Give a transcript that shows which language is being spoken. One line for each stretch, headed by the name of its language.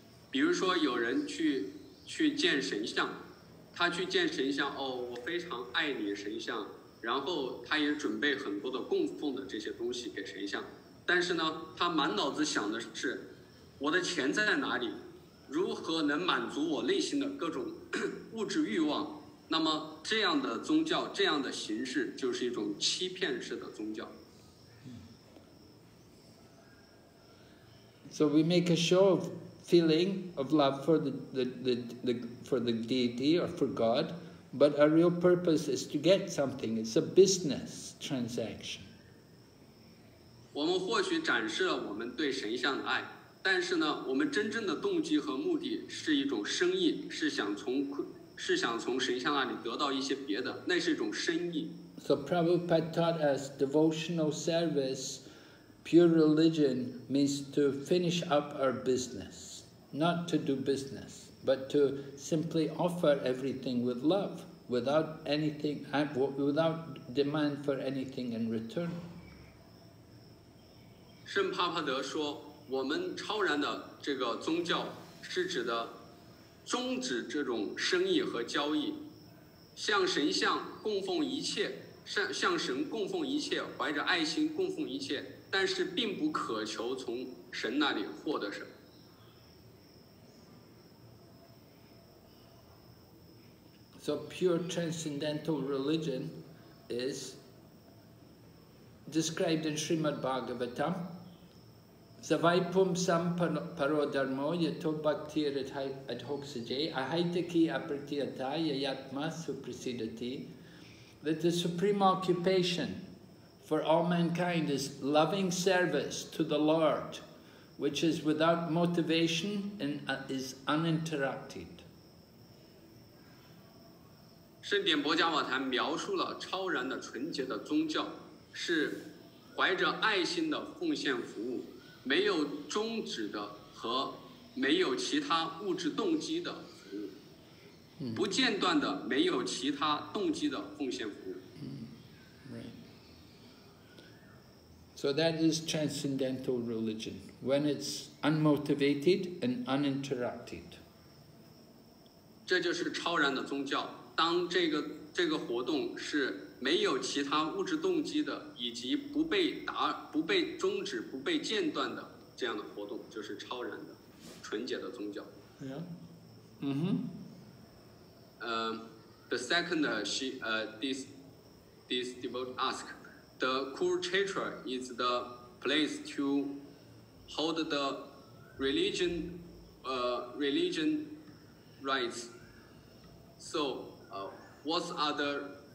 Chinese: 比如说有人去见神像，他去见神像，哦，我非常爱你神像，然后他也准备很多的供奉的这些东西给神像，但是呢，他满脑子想的是，我的钱在哪里，如何能满足我内心的各种物质欲望。那么这样的宗教，这样的形式就是一种欺骗式的宗教。
English: So we make a show of feeling of love for the for the deity or for God, but our real purpose is to get something. It's a business transaction.
Chinese: 我们或许展示了我们对神像的爱，但是呢，我们真正的动机和目的是一种生意，是想从神像那里得到一些别的，那是一种生意。
English: So Prabhupada taught us devotional service, pure religion means to finish up our business, not to do business, but to simply offer everything with love, without anything, without demand for anything in return.
Chinese: 圣帕帕德说，我们超然的这个宗教是指的。终止这种生意和交易，向神像供奉一切，向神供奉一切，怀着爱心供奉一切，但是并不渴求从神那里获得什么。
English: So pure transcendental religion is described in Srimad Bhagavatam.
Sanskrit: Savaipum sam paro dharmo yato bhaktir adhoksaje ahaitaki apratiyata yayatma supresidati.
English: That the supreme occupation for all mankind is loving service to the Lord, which is without motivation and is uninterrupted.
Chinese: 圣典博迦瓦坛描述了超然的纯洁的宗教是怀着爱心的奉献服务。没有终止的和没有其他物质动机的服务，不间断的没有其他动机的奉献服务。
English: Right. So that is transcendental religion when it's unmotivated and uninterrupted.
Chinese: 这就是超然的宗教。当这个活动是。没有其他物质动机的，以及不被终止、不被间断的这样的活动，就是超然的、纯洁的宗教。
English: Yeah. Mm-hmm. The second this devotee asked, the Kurukshetra is the place to hold the religion rites. So, what are the